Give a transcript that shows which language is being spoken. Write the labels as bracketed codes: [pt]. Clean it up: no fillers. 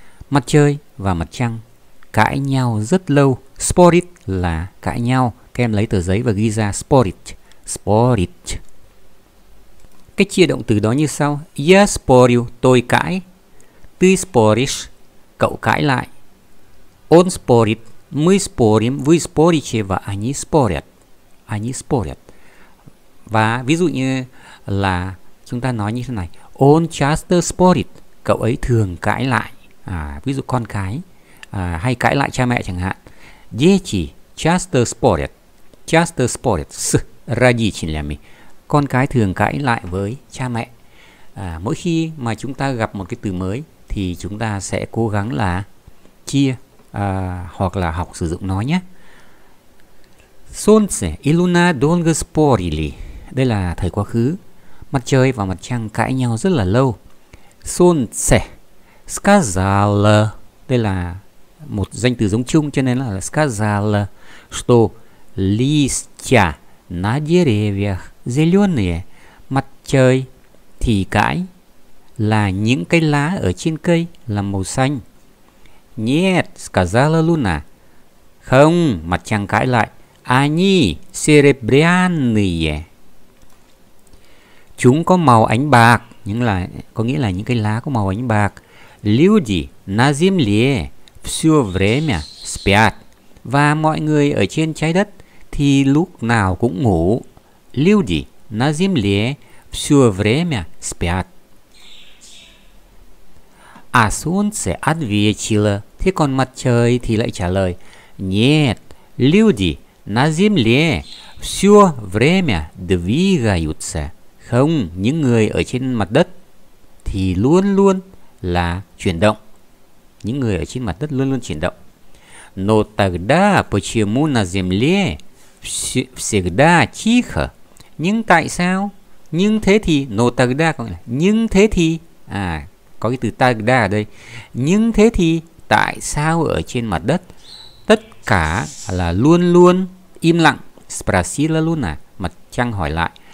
[vi] Mặt trời và mặt trăng cãi nhau rất lâu. Sporit là cãi nhau. Các em lấy tờ giấy và ghi ra sporit, sporit. Cách chia động từ đó như sau: [ru] Я спорю, [vi] tôi cãi. [ru] Ты споришь, [vi] cậu cãi lại. [ru] Он спорит, мы спорим, вы спорите và они спорят. Они спорят. [vi] Và ví dụ như là chúng ta nói như thế này: [ru] Он часто спорит, [vi] cậu ấy thường cãi lại. Ví dụ con cái hay cãi lại cha mẹ chẳng hạn. [ru] Дети часто спорят. Часто спорят с родителями. [vi] Con cái thường cãi lại với cha mẹ. Mỗi khi mà chúng ta gặp một cái từ mới thì chúng ta sẽ cố gắng là chia hoặc là học sử dụng nó nhé. [ru] Солнце и луна долго спорили. [vi] Đây là thời quá khứ. Mặt trời và mặt trăng cãi nhau rất là lâu. [ru] Солнце сказало. [vi] Đây là một danh từ giống chung cho nên là [ru] сказало, что листья на деревьях зелёные, [vi] mặt trời thì cãi là những cái lá ở trên cây là màu xanh. [ru] Нет, сказала Луна. [vi] Không, mặt trăng cãi lại. [ru] Они серебряные. [vi] Chúng có màu ánh bạc, nhưng là có nghĩa là những cái lá có màu ánh bạc. [ru] Люди на земле всё время спят. [vi] Và mọi người ở trên trái đất thì lúc nào cũng ngủ. [ru] Люди на земле всё время спят. А солнце ответило. [vi] Thế còn mặt trời thì lại trả lời. [ru] Нет, люди на земле всё время двигаются. [vi] Không, những người ở trên mặt đất thì luôn luôn là chuyển động. Những người ở trên mặt đất luôn luôn chuyển động. [ru] Но тогда почему на земле всегда тихо? [vi] Nhưng tại sao? Nhưng thế thì, [ru] но тогда, [vi] nhưng thế thì, có cái từ тогда ở đây. Nhưng thế thì, tại sao ở trên mặt đất tất cả là luôn luôn im lặng? [ru] Спросила Луна, [vi] mặt trăng hỏi lại.